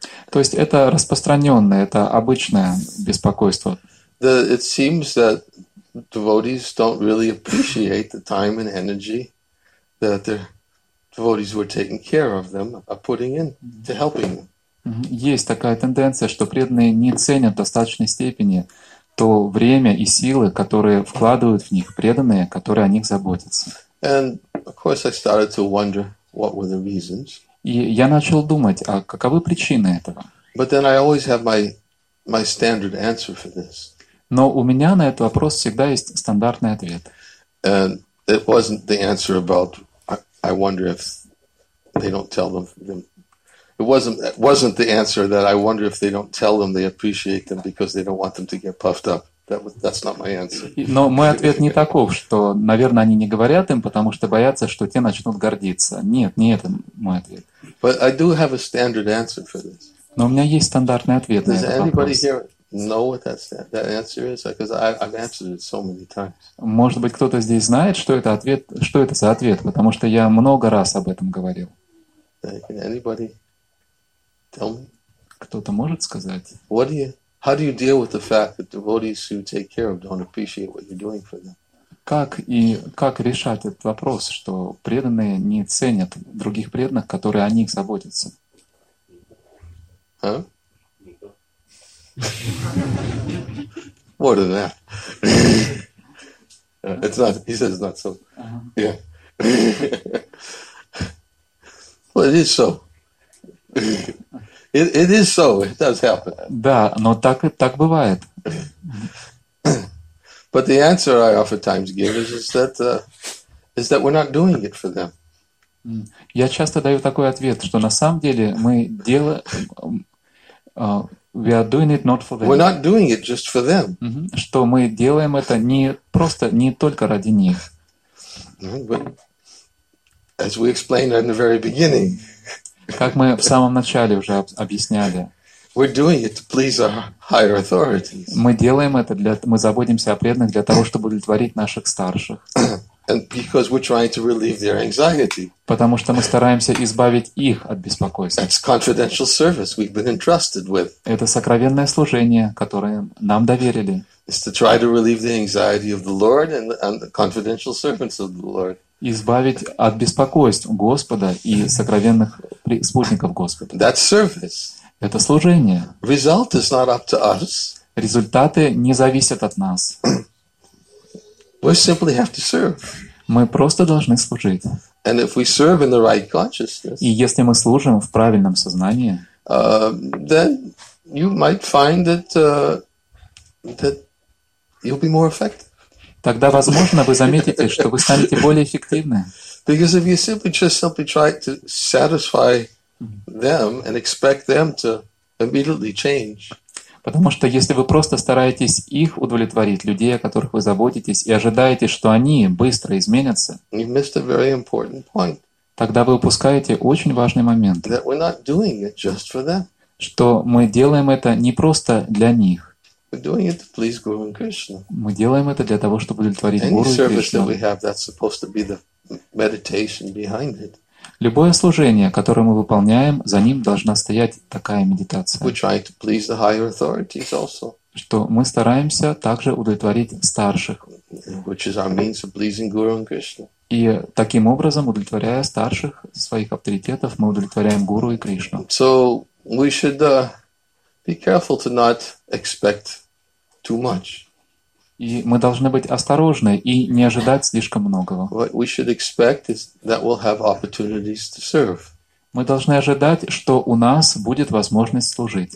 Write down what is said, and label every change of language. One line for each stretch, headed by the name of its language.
Russian: То есть это распространенное, это обычное беспокойство.
English: It seems that devotees don't really appreciate the time and energy that their devotees were taking care of them are putting in to helping them.
Russian: Есть такая тенденция, что преданные не ценят в достаточной степени то время и силы, которые вкладывают в них преданные, которые о них заботятся.
English: And of course I started to wonder what were the reasons.
Russian: И я начал думать, а каковы причины этого?
English: But then I always have my standard answer for this.
Russian: Но у меня на этот вопрос всегда есть стандартный ответ.
English: And it wasn't the answer about I wonder if they don't tell them. It wasn't the answer that I wonder if they don't tell them they appreciate them because they don't want them to get puffed up. That's not my answer.
Russian: Но мой ответ не таков, что, наверное, они не говорят им, потому что боятся, что те начнут гордиться. Нет, не это мой ответ.
English: But I do have a standard answer for this.
Russian: Но у меня есть стандартный ответ на этот вопрос.
English: Does anybody here know what that answer is? Because I've answered it so many times.
Russian: Может быть, кто-то здесь знает, что это за ответ, потому что я много раз об этом говорил.
English: Can anybody?
Russian: Кто-то может сказать?
English: How do you deal with the fact that devotees who take care of don't appreciate what you're doing for them?
Russian: Как решать этот вопрос, что преданные не ценят других преданных, которые о них заботятся?
English: Huh? More than that. It's not. He says not so. Yeah. Well, it is so. It is so. It does happen.
Russian: Да, но так бывает.
English: But the answer I oftentimes give is that we're not doing it for them.
Russian: Я часто даю такой ответ, что на самом деле мы делаем.
English: We are doing it not for them. We're not doing it just for them.
Russian: Что мы делаем это не просто, не только ради них.
English: But as we explained in the very beginning.
Russian: Как мы в самом начале уже объясняли.
English: We're doing it to please our higher authorities.
Russian: Мы делаем это для, мы заботимся о преданных для того, чтобы удовлетворить наших старших.
English: And because we're trying to relieve their anxiety.
Russian: Потому что мы стараемся избавить их от беспокойства.
English: That's confidential service we've been entrusted with.
Russian: Это сокровенное служение, которое нам доверили.
English: It's to try to relieve the anxiety of the Lord and the confidential servants of the Lord.
Russian: Избавить от беспокойств Господа и сокровенных спутников Господа.
English: That's service.
Russian: Это служение.
English: Result is not up to us.
Russian: Результаты не зависят от нас.
English: We simply have to serve.
Russian: Мы просто должны служить.
English: And if we serve in the right consciousness,
Russian: и если мы служим в правильном сознании,
English: then you might find that you'll be more effective.
Russian: Тогда, возможно, вы заметите, что вы станете более эффективны.
English: Because if you simply try to satisfy them and expect them to immediately change.
Russian: Потому что если вы просто стараетесь их удовлетворить, людей, о которых вы заботитесь, и ожидаете, что они быстро изменятся,
English: you missed a very important point.
Russian: Тогда вы упускаете очень важный момент.
English: That we're not doing it just for them.
Russian: Что мы делаем это не просто для них.
English: We're doing it to please Guru and Krishna.
Russian: Мы делаем это для того, чтобы удовлетворить Гуру и Кришну.
English: Any service that we have, that's supposed to be the meditation behind it.
Russian: Любое служение, которое мы выполняем, за ним должна стоять такая медитация.
English: We're trying to please the higher authorities also.
Russian: что мы стараемся также удовлетворить старших.
English: Which is our means of pleasing Guru and Krishna.
Russian: И таким образом, удовлетворяя старших своих авторитетов, мы удовлетворяем Гуру и Кришну.
English: So we should be careful to not expect too much.
Russian: И мы должны быть осторожны и не ожидать слишком многого.
English: What we should expect is that we'll have opportunities to serve.
Russian: Мы должны ожидать, что у нас будет возможность служить.